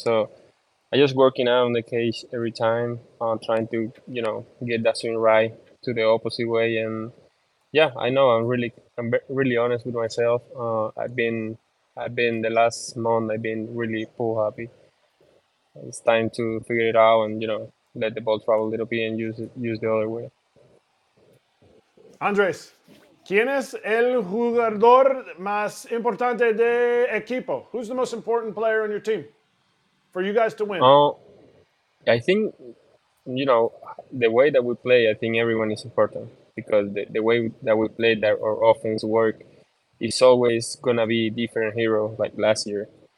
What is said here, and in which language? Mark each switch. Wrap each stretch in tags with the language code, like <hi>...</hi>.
<en>So I just working out in the cage every time, trying to, you know, get that swing right to the opposite way. And yeah, I know I'm really honest with myself. I've been the last month, I've been really pull happy. It's time to figure it out and, you know, let the ball travel a little bit and use the other way.</en> <es>Andres, ¿quién es el jugador más importante de equipo?</es> <en>Who's the most important player on your team for you guys to win? I think, you know, the way that we play, I think everyone is important, because the way that we play, that our offense work, is always going to be different hero like last year.</en>